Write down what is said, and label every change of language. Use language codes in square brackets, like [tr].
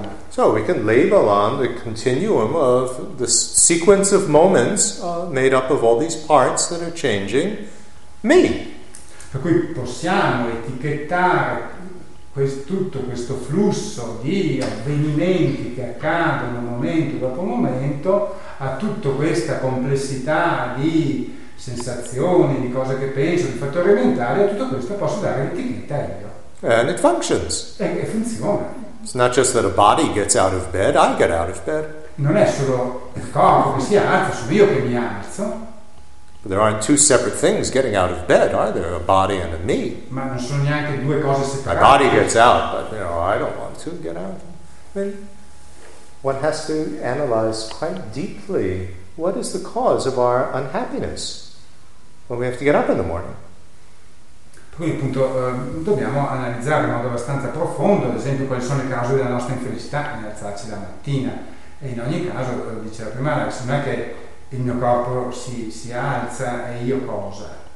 [en] So we can label on the continuum of the sequence of moments made up of all these parts that are changing me. [it] Per cui possiamo etichettare tutto questo flusso di avvenimenti che accadono momento dopo momento a tutta questa complessità di sensazioni, di cose che penso, di fattori mentali, a tutto questo posso dare l'etichetta io. [en] And it functions. [it] E funziona. [en] It's not just that a body gets out of bed, I get out of bed. [it] Non è solo il corpo che si alza, sono io che mi alzo. [en] But there aren't two separate things getting out of bed, are there? A body and a me. [it] Ma non sono neanche due cose separate. [en] My body gets out, but I don't want to get out. I mean, one has to analyze quite deeply what is the cause of our unhappiness when we have to get up in the morning. [it] Quindi appunto dobbiamo analizzare in modo abbastanza profondo, ad esempio, quali sono le cause della nostra infelicità nell'alzarci la mattina. E in ogni caso, come diceva prima, non è che il mio corpo si alza e io cosa?